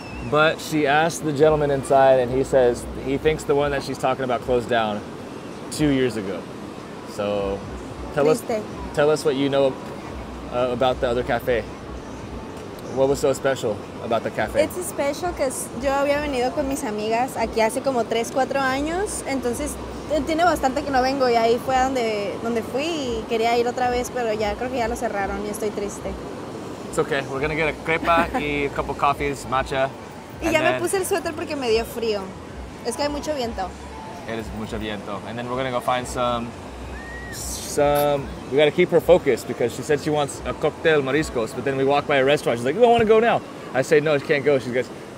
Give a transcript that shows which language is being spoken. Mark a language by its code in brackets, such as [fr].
[en] But she asked the gentleman inside and he says he thinks the one that she's talking about closed down 2 years ago. So tell us what you know about the other cafe. What was so special about the cafe? It's special because [es] yo había venido con mis amigas aquí hace como 3-4 años. Entonces tiene bastante que no vengo y ahí fue donde fui y quería ir otra vez, pero ya creo que ya lo cerraron y estoy triste. [en] It's okay. We're going to get a crepa y a couple coffees, matcha. [es] Y ya [en] then... [es] me puse el suéter porque me dio frío. Es que hay mucho viento. [en] It is [es] mucho viento. [en] And then we're going to go find some... We got to keep her focused because she said she wants a cocktail mariscos, but then we walk by a restaurant. She's like, oh, I want to go now. I say, no, she can't go. She goes...